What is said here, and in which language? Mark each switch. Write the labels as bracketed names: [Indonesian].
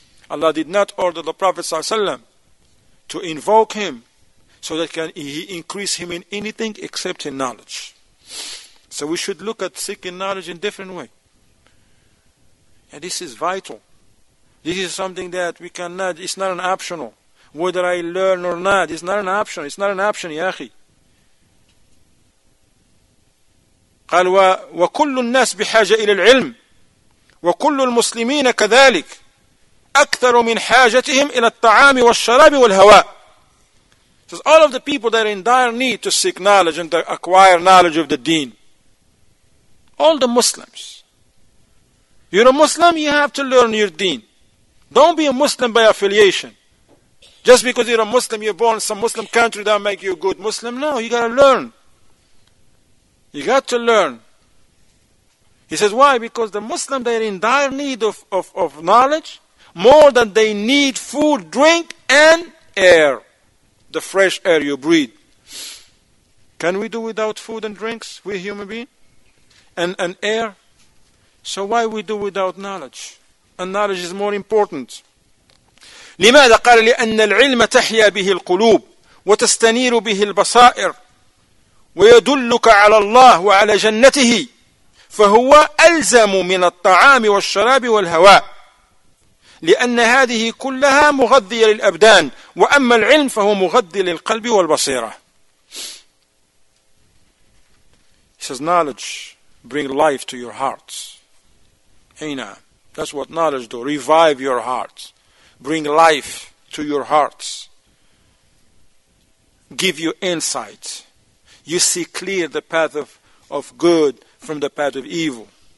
[English] Allah did not order the Prophet ﷺ to invoke him so that he increase him in anything except in knowledge. So we should look at seeking knowledge in a different way. And this is vital. This is something that we cannot, it's not an optional. Whether I learn or not, it's not an option. It's not an option, [Arabic] يا أخي. قال وكل الناس بحاجة إلى العلم وكل المسلمين كذلك أكثر من حاجتهم إلى الطعام والشراب والهواء. [English] It says all of the people that are in dire need to seek knowledge and to acquire knowledge of the deen. All the Muslims. You're a Muslim, you have to learn your deen. Don't be a Muslim by affiliation. Just because you're a Muslim, you're born in some Muslim country, that make you a good Muslim. No, you got to learn. You got to learn. He says, why? Because the Muslim, they're in dire need of knowledge, more than they need food, drink, and air. The fresh air you breathe. Can we do without food and drinks? We're human beings. And air? So why we do without knowledge? And knowledge is more important. [Arabic] لماذا قال لأن العلم تحيا به القلوب وتستنير به البصائر ويدلك على الله وعلى جنته فهو ألزم من الطعام والشراب والهواء لأن هذه كلها مغذية للأبدان وأما العلم فهو مغذي للقلب والبصيرة. [English] He says knowledge bring life to your hearts. Aina. That's what knowledge do. Revive your hearts. Bring life to your hearts. Give you insight. You see clear the path of good from the path of evil.